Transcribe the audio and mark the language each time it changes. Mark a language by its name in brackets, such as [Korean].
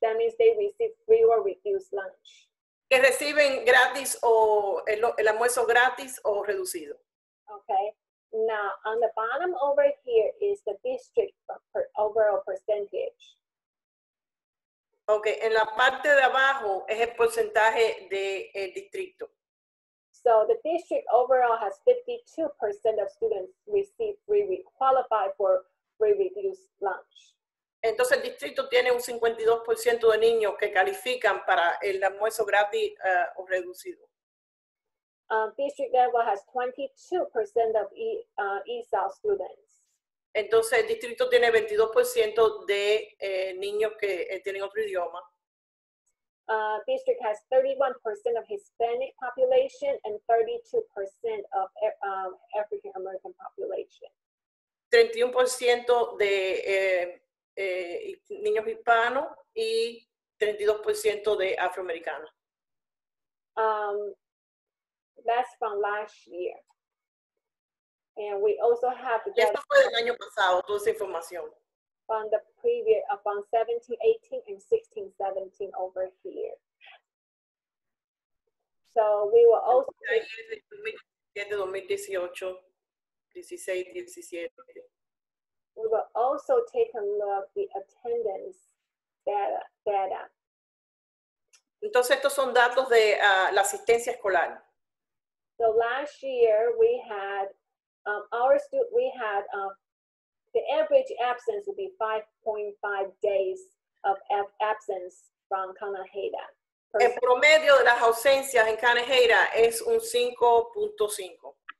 [English] That means they receive free or reduced lunch. [Spanish] Que reciben gratis o el almuerzo gratis o reducido. [English] Okay. Now, on the bottom over here is the district overall percentage. [Spanish] Okay. En la parte de abajo es el porcentaje del distrito. [English] So the district overall has 52% of students receive free, qualify for free reduced lunch. [Spanish] Entonces el distrito tiene un 52% de niños que califican para el almuerzo gratis o reducido. [English] District level has 22% of ESL students. [Spanish] Entonces el distrito tiene 22% de niños que tienen otro idioma. [English] District has 31% of Hispanic population and 32% of African American population. [Spanish] 31% de niños hispanos y 32% de afroamericanos. [English] That's from last year. And we also have... [Spanish] Y esto fue del año pasado, toda esa información. [English] from the previous, from 1718 and 1617 over here. So we will also. Okay, 2018, 16, 17. We will also take a look at the attendance data. [Spanish] Entonces estos son datos de la asistencia escolar. [English] So last year we had the average absence would be 5.5 days of absence from Kanoheda. [Spanish] El promedio de las ausencias en Kanoheda es un 5.5.